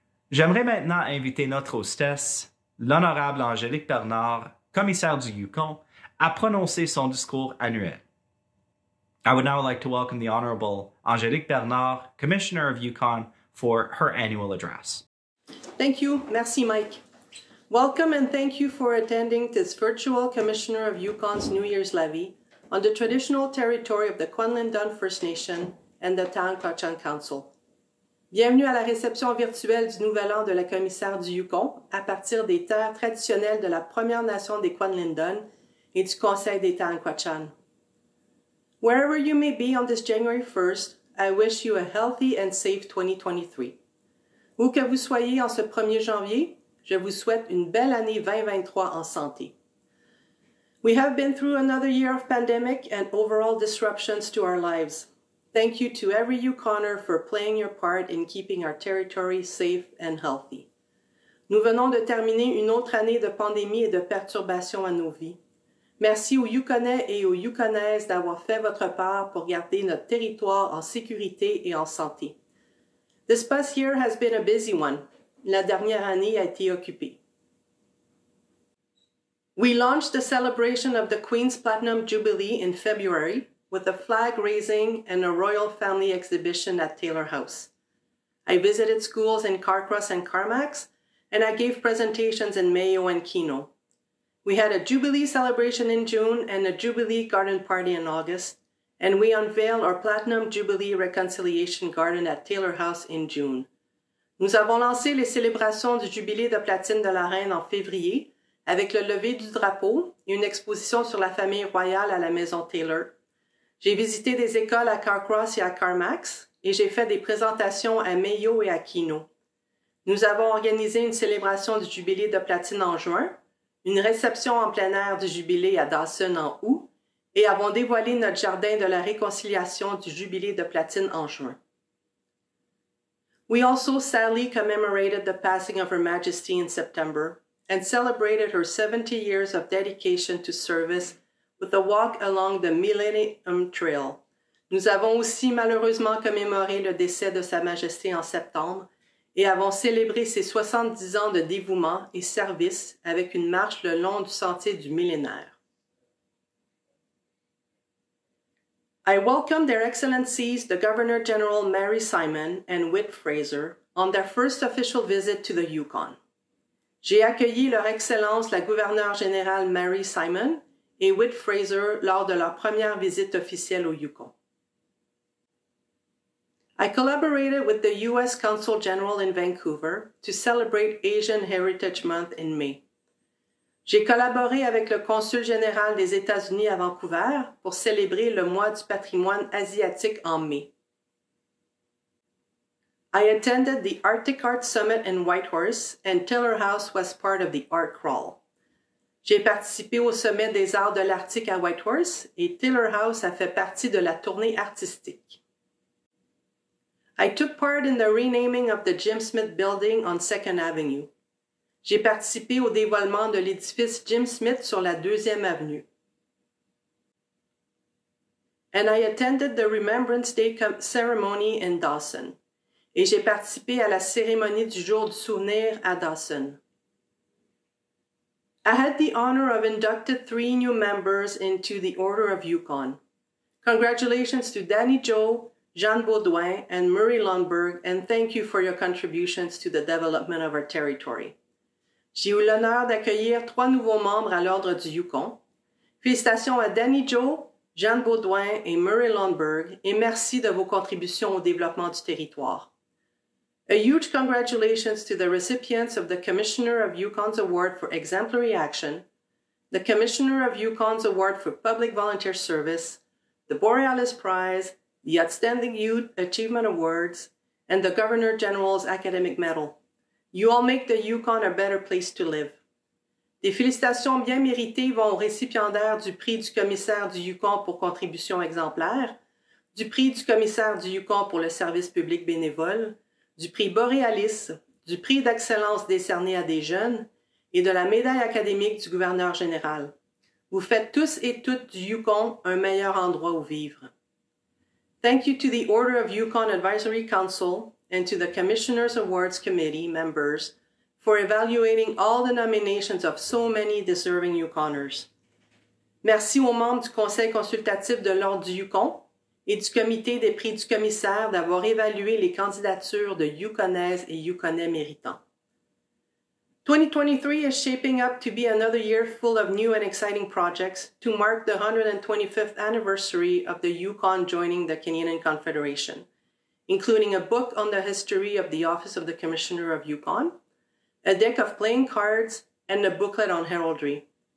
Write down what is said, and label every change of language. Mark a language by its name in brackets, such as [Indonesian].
[French] J'aimerais maintenant inviter notre hostesse, l'honorable Angelique Bernard, commissaire du Yukon, à prononcer son discours annuel. [English] I would now like to welcome the Honorable Angelique Bernard, Commissioner of Yukon, for her annual address. Thank you. [French] Merci, [English] Mike. Welcome and thank you for attending this virtual Commissioner of Yukon's New Year's Levee on the traditional territory of the Kwinlan Dun First Nation and the Taankachan Council. [French] Bienvenue à la réception virtuelle du Nouvel An de la Commissaire du Yukon à partir des terres traditionnelles de la Première Nation des Kwinlan Dun et du Conseil des Taankachan. [English] Wherever you may be on this January 1st, I wish you a healthy and safe 2023. [French] Où que vous soyez en ce 1er janvier, je vous souhaite une belle année 2023 en santé. [English] We have been through another year of pandemic and overall disruptions to our lives. Thank you to every Yukoner for playing your part in keeping our territory safe and healthy. [French] Nous venons de terminer une autre année de pandémie et de perturbations à nos vies. Merci aux Yukonais et aux Yukonaises d'avoir fait votre part pour garder notre territoire en sécurité et en santé. [English] This past year has been a busy one. [French] La dernière année a été occupée. [English] We launched the celebration of the Queen's Platinum Jubilee in February, with a flag raising and a royal family exhibition at Taylor House. I visited schools in Carcross and Carmax, and I gave presentations in Mayo and Keno. We had a Jubilee celebration in June and a Jubilee garden party in August, and we unveiled our Platinum Jubilee Reconciliation Garden at Taylor House in June. [French] Nous avons lancé les célébrations du Jubilee de Platine de la Reine en février, avec le lever du drapeau et une exposition sur la famille royale à la Maison Taylor. J'ai visité des écoles à Carcross et à Carmax et j'ai fait des présentations à Mayo et à Keno. Nous avons organisé une célébration du Jubilé de Platine en juin, une réception en plein air du Jubilé à Dawson en août et avons dévoilé notre jardin de la réconciliation du Jubilé de Platine en juin. [English] We also sadly commemorated the passing of Her Majesty in September and celebrated her 70 years of dedication to service with a walk along the Millennium Trail. [French] Nous avons aussi malheureusement commémoré le décès de Sa Majesté en septembre et avons célébré ses 70 ans de dévouement et service avec une marche le long du sentier du millénaire. [English] I welcome Their Excellencies the Governor General Mary Simon and Whit Fraser on their first official visit to the Yukon. [French] J'ai accueilli Leur Excellence la Gouverneure Générale Mary Simon et Whit Fraser lors de leur première visite officielle au Yukon. [English] I collaborated with the U.S. Consul General in Vancouver to celebrate Asian Heritage Month in May. [French] J'ai collaboré avec le Consul Général des États-Unis à Vancouver pour célébrer le mois du patrimoine asiatique en mai. [English] I attended the Arctic Art Summit in Whitehorse and Taylor House was part of the Art Crawl. [French] J'ai participé au Sommet des Arts de l'Arctique à Whitehorse et Taylor House a fait partie de la tournée artistique. [English] I took part in the renaming of the Jim Smith Building on 2nd Avenue. [French] J'ai participé au dévoilement de l'édifice Jim Smith sur la 2e Avenue. [English] And I attended the Remembrance Day Ceremony in Dawson. [French] Et j'ai participé à la cérémonie du jour du souvenir à Dawson. [English] I had the honor of inducting 3 new members into the Order of Yukon. Congratulations to Danny Joe, Jean Baudouin, and Murray Lundberg, and thank you for your contributions to the development of our territory. [French] J'ai eu l'honneur d'accueillir 3 nouveaux membres à l'Ordre du Yukon. Félicitations à Danny Joe, Jean Baudouin et Murray Lundberg, et merci de vos contributions au développement du territoire. [English] A huge congratulations to the recipients of the Commissioner of Yukon's Award for Exemplary Action, the Commissioner of Yukon's Award for Public Volunteer Service, the Borealis Prize, the Outstanding Youth Achievement Awards, and the Governor General's Academic Medal. You all make the Yukon a better place to live. [French] Les félicitations bien méritées vont au récipiendaire du prix du commissaire du Yukon pour contribution exemplaire, du prix du commissaire du Yukon pour le service public bénévole, du prix Boréalis, du prix d'excellence décerné à des jeunes et de la médaille académique du gouverneur général. Vous faites tous et toutes du Yukon un meilleur endroit où vivre. [English] Thank you to the Order of Yukon Advisory Council and to the Commissioners Awards Committee members for evaluating all the nominations of so many deserving Yukoners. [French] Merci aux membres du Conseil consultatif de l'Ordre du Yukon et du Comité des prix du commissaire d'avoir évalué les candidatures de Yukonaises et Yukonais méritants. [English] 2023 is shaping up to be another year full of new and exciting projects to mark the 125th anniversary of the Yukon joining the Canadian Confederation, including a book on the history of the Office of the Commissioner of Yukon, a deck of playing cards, and a booklet on heraldry.